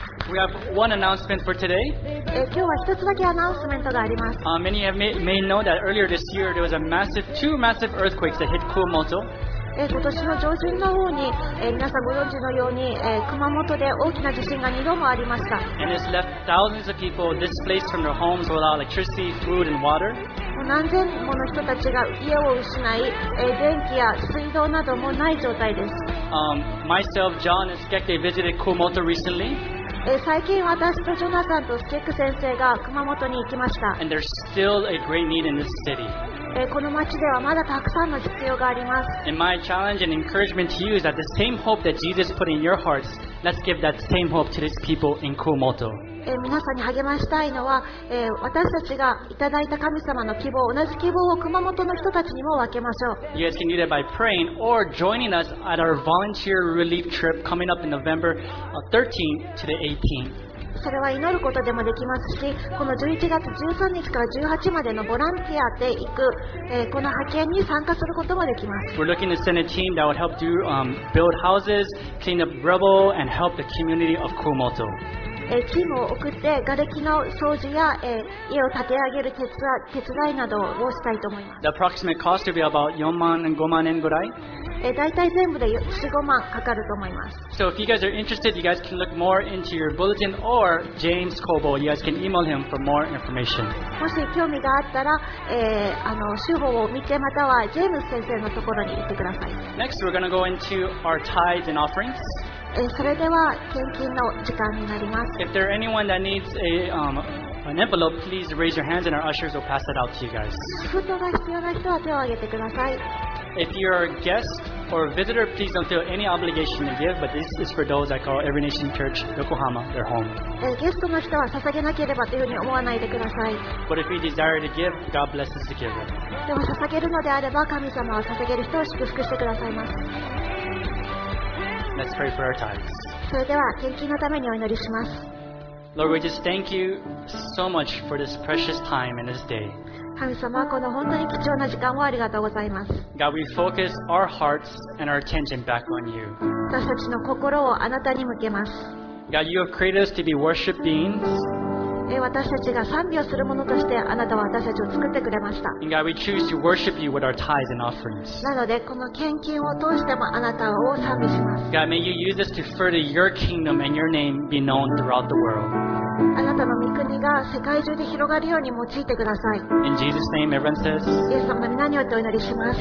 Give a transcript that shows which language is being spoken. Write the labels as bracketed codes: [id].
[en] We have one announcement for today. Many have may know that earlier this year there was a massive, two massive earthquakes that hit Kumamoto. [ja] 今年の上旬の方に、皆さんご存知のように、熊本で大きな地震が2度もありました。 [en] And it's left thousands of people displaced from their homes without electricity, food, and water. [ja] 何千もの人たちが家を失い、電気や水道などもない状態です。 [en] Myself, John, and Skek, they visited Kumamoto recently. [ja] 最近私とジョナサンとスケック先生が熊本に行きました。 [en] And there's still a great need in this city. [ja] この町ではまだたくさんの必要があります。 [en] And my challenge and encouragement to you is that the same hope that Jesus put in your hearts, let's give that same hope to these people in Kumamoto. [ja] 皆さんに励ましたいのは、私たちがいただいた神様の希望、同じ希望を熊本の人たちにも分けましょう。 [en] You guys can do that by praying or joining us at our volunteer relief trip coming up in November 13th to the 18th. [ja] それは祈ることでもできますし、この11月13日から18日までのボランティアで行く、この派遣に参加することもできます。 [en] We're looking to send a team that would help do, build houses, clean up rubble, and help the community of Kumamoto. [ja] チームを送って、瓦礫の掃除や、家を建て上げる手伝いなどをしたいと思います。 [en] The approximate cost will be about [ja] 4万円、5万円ぐらい。大体全部で 4、5万かかると思います。 [en] So if you guys are interested, you guys can look more into your bulletin or James Kobo. You guys can email him for more information. [ja] もし興味があったら、集合を見てまたはジェームス先生のところに行ってください。 [en] Next, we're going to go into our tithes and offerings. [ja] それでは献金の時間になります。 [en] If there are anyone that needs a, an envelope, please raise your hands and our ushers will pass it out to you guys. [ja] 封筒が必要な人は手を挙げてください。 [en] If you are a guest or a visitor, please don't feel any obligation to give, but this is for those that call Every Nation Church Yokohama their home. [ja] ゲストの人は捧げなければというふうに思わないでください。 [en] But if you desire to give, God blesses the giver. [ja] でも捧げるのであれば、神様は捧げる人を祝福してくださいます。 [en] Let's pray for our tithes. [ja] それでは献金のためにお祈りします。 [en] Lord, we just thank you so much for this precious time and this day. [ja] 神様、この本当に貴重な時間をありがとうございます。 [en] God, we focus our hearts and our attention back on you. [ja] 私たちの心をあなたに向けます。 [en] God, you have created us to be worship beings. [ja] 私たちが賛美をするものとしてあなたは私たちを作ってくれました。 [en] God, [ja] なのでこの献金を通してもあなたを賛美します。 [en] God, may you use this to further your kingdom and your name be known throughout the world. [ja] あなたの御国が世界中で広がるように用いてください。 [en] In Jesus' name, everyone says. [ja] イエス様の名によってお祈りします。